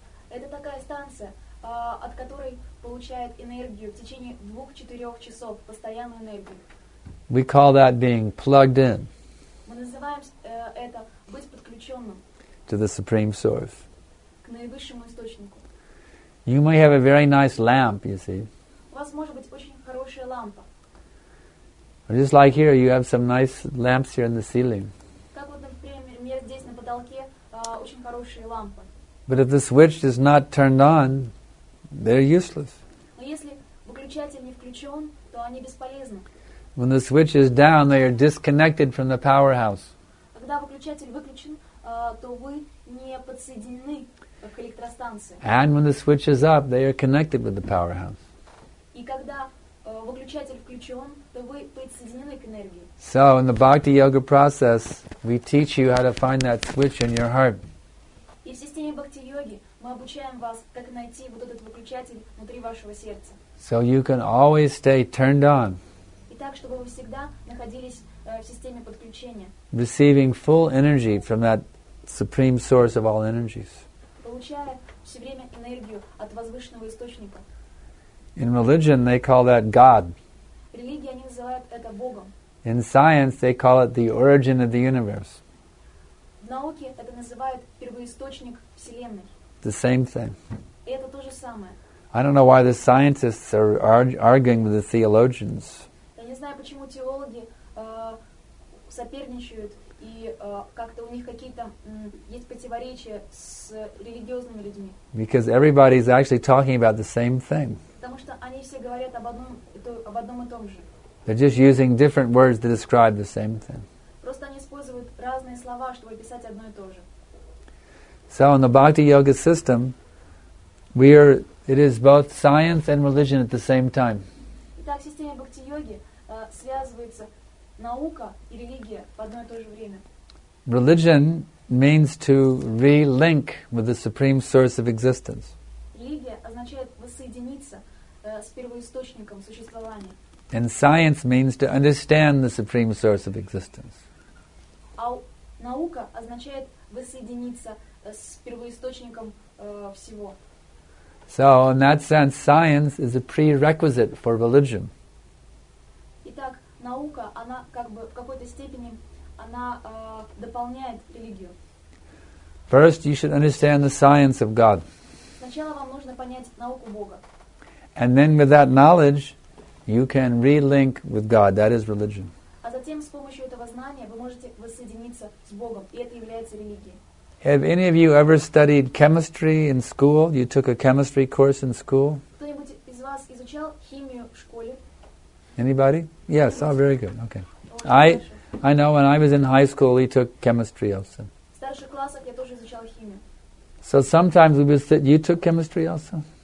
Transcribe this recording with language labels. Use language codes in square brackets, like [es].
[ru] Это такая станция, от которой получает энергию в течение 2-4 часов, постоянную энергию. [en] We call that being plugged in. [ru] Мы называем это быть подключенным. [en] To the Supreme Source. [ru] К наивысшему источнику. [en] You may have a very nice lamp, you see. [ru] У вас может быть очень хорошая лампа. [en] Just like here, you have some nice lamps here in the ceiling. [ru] Как вот, например, здесь на потолке очень хорошие лампы. [en] But if the switch is not turned on, they're useless. [ru] Но если выключатель не включен, то они бесполезны. [en] When the switch is down, they are disconnected from the powerhouse. [ru] Когда выключатель выключен, то вы не подсоединены. [en] And when the switch is up, they are connected with the powerhouse. [ru] И когда выключатель включен, то вы подсоединены к энергии. [en] So in the bhakti yoga process, we teach you how to find that switch in your heart. [ru] И в системе бхакти йоги мы обучаем вас, как найти вот этот выключатель внутри вашего сердца. [en] So you can always stay turned on. [ru] И так, чтобы вы всегда находились в системе подключения. [en] Receiving full energy from that supreme source of all energies. [ru] Все время энергию от возвышенного источника. [en] In religion, they call that God. [ru] В религии они называют это Богом. [en] In science, they call it the origin of the universe. [ru] В науке это называют первоисточник Вселенной. [en] The same thing. [ru] И это то же самое. [en] I don't know why the scientists are arguing with the theologians. [ru] Я не знаю, почему теологи соперничают. И как-то у них какие-то есть противоречия с религиозными людьми. [en] Because everybody is actually talking about the same thing. [ru] Потому что они все говорят об одном и том же. [en] They're just using different words to describe the same thing. [ru] Просто они используют разные слова, чтобы описать одно и то же. [en] So in the bhakti yoga system, it is both science and religion at the same time. [ru] Итак, в системе бхакти йоги связывается наука и религия в одно и то же время. [en] Religion means to re-link with the supreme source of existence. [ru] Религия означает воссоединиться с первоисточником существования. [en] And science means to understand the supreme source of existence. [ru] А наука означает воссоединиться с первоисточником всего. [en] So in that sense, science is a prerequisite for religion. [ru] Итак, наука, она как бы в какой-то степени она дополняет религию. [en] First, you should understand the science of God. [ru] Сначала вам нужно понять науку Бога. [en] And then with that knowledge, you can relink with God. That is religion. [ru] А затем с помощью этого знания вы можете воссоединиться с Богом, и это является религией. [en] Have any of you ever studied chemistry in school? You took a chemistry course in school? [ru] Кто-нибудь из вас изучал химию в школе? [en] Anybody? Yes, oh, very good. Okay. I know when I was in high school, we took chemistry also. [ru] В старших классах я тоже изучал химию. [en] So sometimes we would sit, you took chemistry also?